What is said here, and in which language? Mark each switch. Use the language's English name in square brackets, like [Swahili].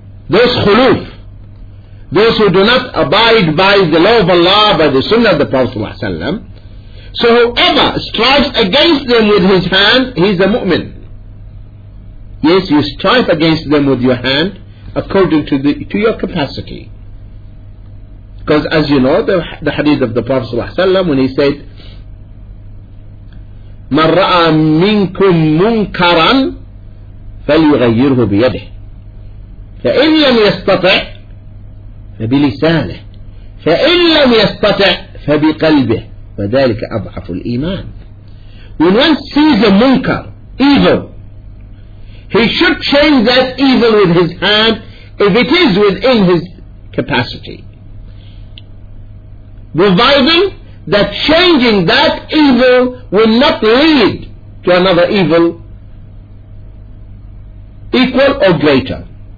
[English] Those khuluf, those who do not abide by the law of Allah, by the sunnah of the Prophet ﷺ, so whoever strives against them with his hand, he is a mu'min. Yes, you strive against them with your hand according to your capacity. Because as you know, the hadith of the Prophet ﷺ, when he said, [Arabic] مَنْ رَأَى مِنْكُمْ مُنْكَرًا فَلْيُغَيِّرْهُ بِيَدِهِ فَإِنْ لَمْ يَسْتَطِعْ فَبِلِسَانِهِ فَإِنْ لَمْ يَسْتَطِعْ فَبِقَلْبِهِ فَذَلِكَ أَضْعَفُ الْإِيمَانِ. [English] When one sees a munkar, evil, he should change that evil with his hand if it is within his capacity, providing that changing that evil will not lead to another evil equal or greater.